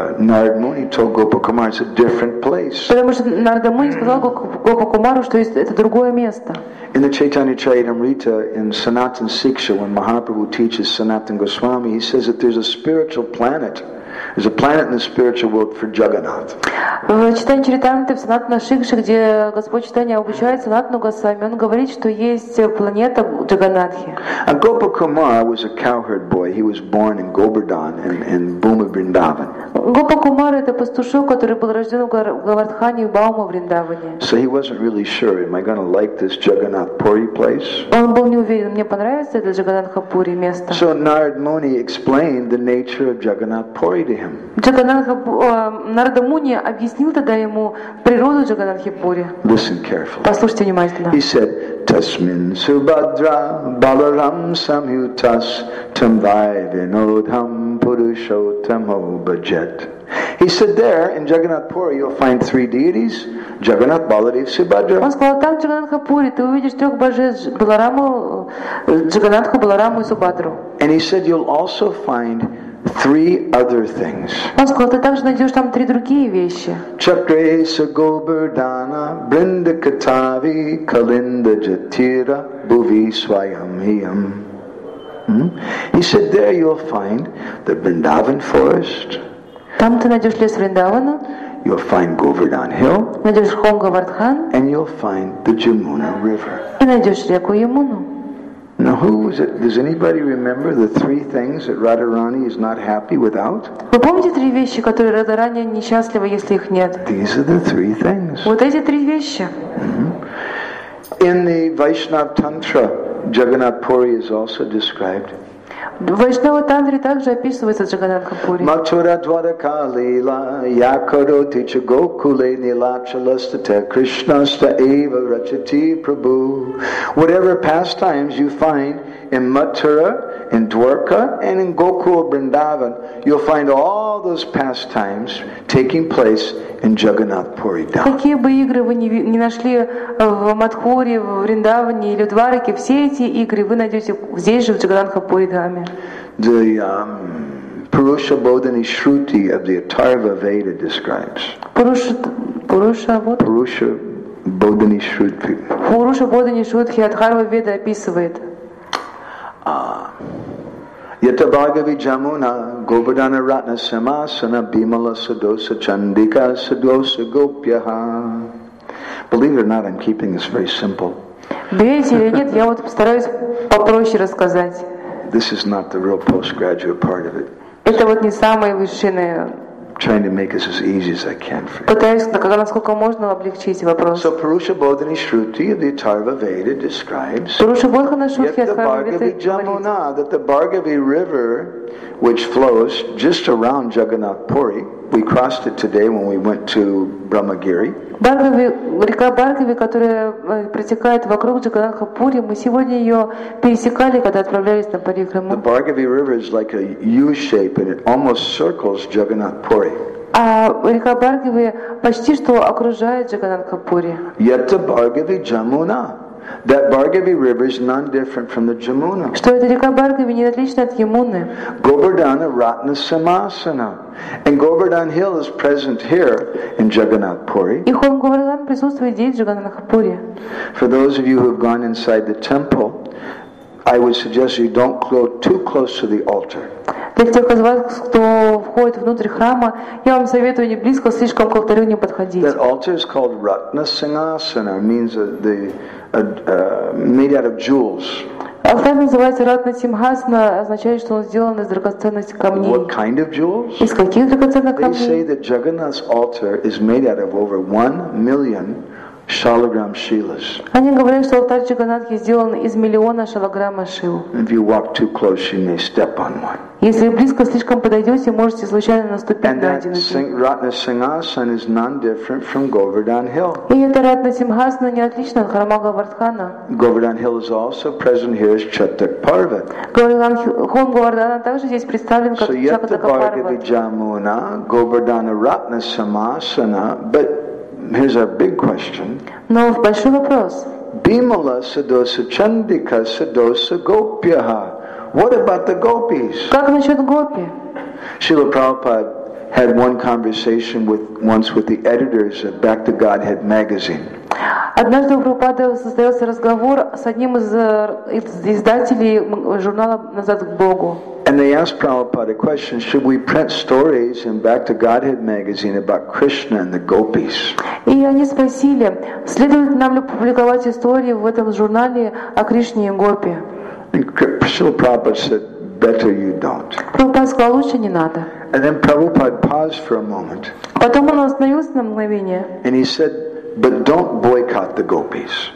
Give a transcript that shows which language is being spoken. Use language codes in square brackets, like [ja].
[en] Narad Muni told Gopakumar it's a different place. [ru] Потому что Нарада Муни сказал Гопакумару, что это другое место. [en] In the Chaitanya Charitamrita, in Sanatan Siksha, when Mahaprabhu teaches Sanatan Goswami, he says that there's a spiritual planet. There's a planet in the spiritual world for Jagannath. [ru] В Чайтанья Чаритамрите, в Санатана Сикше, где Господь Чайтанья обучает Санатану Госвами, он говорит, что есть планета Джаганатхи. [en] And Gopakumar was a cowherd boy. He was born in Govardhan and Bhuma Vrindavan. [ru] Гопакумар это пастушок, который был рожден в Говардхане и Баума Вриндаване. [en] So he wasn't really sure, am I going to like this Jagannath Puri place? [ru] Он был не уверен, мне понравится это Джаганатха Пури место. [en] So Narad Muni explained the nature of Jagannath Puri. [ru] Нарада Муни объяснил тогда ему природу Джаганатхи Пури. [en] Listen carefully. [ru] Послушайте внимательно. [en] He said, [sa] Tasmin Subhadra Balaram Samyutas Tamvai Vinodham Purushottamo Bhajat. [en] He said there in Jagannath Puri you'll find three deities, Jagannath, Baladev, Subhadra. [ru] Он сказал, там в Джаганатха Пури ты увидишь трех божеств, Балараму, Джаганатху, Балараму и Субхадру. [en] And he said you'll also find three other things. [ru] Он сказал, ты также найдешь там три другие вещи. [sa] Чакреса Гобардана, Бринда Катави, Калинда Джатира, Буви Свайамхиям. [en] He said, there you'll find the Vrindavan forest. [ru] Там ты найдешь лес Вриндавана. [en] You'll find Govardhan Hill. [ru] Найдешь холм Говардхан. [en] And you'll find the Jamuna River. [ru] И найдешь реку Ямуну. [en] Now who was it? Does anybody remember the three things that Radharani is not happy without? [ru] Вы помните три вещи, которые Радхарани несчастлива, если их нет? [en] These are the three things. [ru] Вот эти три вещи. [en] In the Vaishnava Tantra, Jagannath Puri is also described. [ru] В Вайшнава Тантре также описывается Джаганатха Пури. [sa] Матура Дварака Лила Якаро Тича Гокуле Нилачаластата Кришнаста Эва Рачати Прабу. [en] Whatever pastimes you find in Matura, in Dwarka, and in Gokul Vrindavan, you'll find all those pastimes taking place in Jagannath Puri Dham. [ru] Какие бы игры вы не нашли в Матхуре, в Вриндаване или в Двараке, все эти игры вы найдете здесь же, в Джаганатха Пури Дхам. нами. [en] The Purusha Bodhini Shruti of the Atharva Veda describes. Purusha Bodhini Shruti. [ru] Purusha Bodhini Shruti Atharva Veda описывает. [sa] Yata Bhagavi Jamuna Govardhana Ratna Samasana Bhimala Sadosa Chandika Sadosa Gopyaha. [en] Believe it or not, I'm keeping this very simple. [ru] Верите или нет, я вот постараюсь попроще рассказать. [en] This is not the real postgraduate part of it. [ru] Это вот не самое высшее. [en] Trying to make this as easy as I can for you. [ru] Пытаюсь, насколько можно облегчить вопрос. [en] So Purusha Bodhini Shruti of the Atharva Veda describes. Purusha Bodhini Shruti Atharva Veda. Yet the Bhargavi Jamuna, that the Bhargavi River, which flows just around Jagannath Puri, we crossed it today when we went to Brahmagiri. [ru] Bhargavi, река Bhargavi, которая протекает вокруг Джаганнатха Пури, мы сегодня ее пересекали, когда отправлялись на парикраму. [en] The Bhargavi River is like a U shape and it almost circles Jagannath Puri. [ru] А река Bhargavi почти что окружает Джаганнатха Пури. [en] Yet the Bhargavi Jamuna. That Bhargavi River is none different from the Jamuna. [ru] Что эта река Bhargavi не отлична от Ямуны. [sa] Govardhana Ratna Samasana. [en] And Govardhan Hill is present here in Jagannath Puri. [ru] И холм Говардхан присутствует здесь, в Джаганнатхапуре. [en] For those of you who have gone inside the temple, I would suggest you don't go too close to the altar. [ru] Для тех из вас, кто входит внутрь храма, я вам советую не близко, слишком к алтарю не подходить. [en] That altar is called Ratna Singhasana, means the made out of jewels. [ru] Алтарь называется Ратна Симхасана, означает, что он сделан из драгоценных камней. [en] What kind of jewels? [ru] Из каких драгоценных камней? [en] They say that Jagannath's altar is made out of over 1,000,000 shalagram shilas. [ru] Они говорят, что алтарь Джаганнатхи сделан из миллиона шалограмма шил. [en] If you walk too close, you may step on one. [ru] Если близко слишком подойдете, можете случайно наступить на один из них. [en] Ratna Singhasana is none different from Govardhan Hill. [ru] И это Ратна Симхасана не отлично от храма Говардхана. [en] Govardhan Hill is also present here as Chatak Parvat. [ru] Говардхан также здесь представлен как Chatak Parvat. [en] So yet the Bhargavi Jamuna, [sa] Govardhana Ratna Samasana, [en] but here's our big question. [ru] Но большой вопрос. [sa] Bhimala Sadosa Chandika Sadosa Gopyaha. [en] What about the gopis? [ru] Как насчет гопи? [en] Srila Prabhupada had one conversation once with the editors of Back to Godhead magazine. [ru] Однажды у Прабхупады состоялся разговор с одним из издателей журнала «Назад к Богу». [en] And they asked Prabhupada a question: should we print stories in Back to Godhead magazine about Krishna and the gopis? [ru] И они спросили: следует нам ли публиковать истории в этом журнале о Кришне и гопи? [en] And Srila Prabhupada said, better you don't. [ru] Prabhupada сказал, лучше не надо. [en] And then Prabhupada paused for a moment. [ru] Потом он остановился на мгновение. [en] And he said, but don't boycott the gopis.